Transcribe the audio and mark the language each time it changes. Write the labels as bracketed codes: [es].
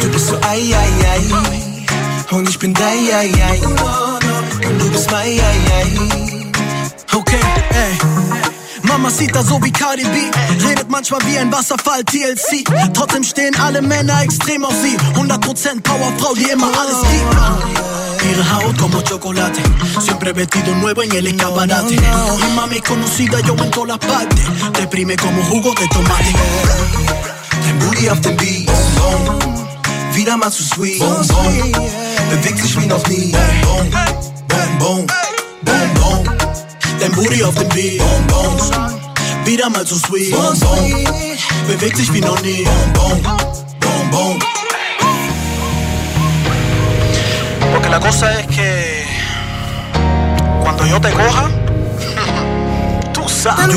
[de] Du bist so Ei, Ei, Ei. Und ich bin dein Ei, Ei. Und du bist mein Ei, Ei. Okay, ey. Mama sieht da so wie Cardi B, redet manchmal wie ein Wasserfall, TLC. Trotzdem stehen alle Männer extrem auf sie. 100% Powerfrau, die immer alles gibt. Ihre Haut [es] como chocolate, siempre vestido nuevo en el escaparate. Mi mami conocida, yo en todas partes. Deprime como jugo de tomate. [de] Dein Booty auf dem Beat. Wieder mal zu sweet. Boom, boom. Bewegt sich wie noch nie. Boom, boom. Boom, boom. Boom, boom. Dein Booty auf dem Beat. Boom, boom. Wieder mal zu sweet. Boom, boom. Bewegt sich wie noch nie. Boom, boom. Boom, boom. [es] Porque la cosa es que cuando yo te coja, tú sabes.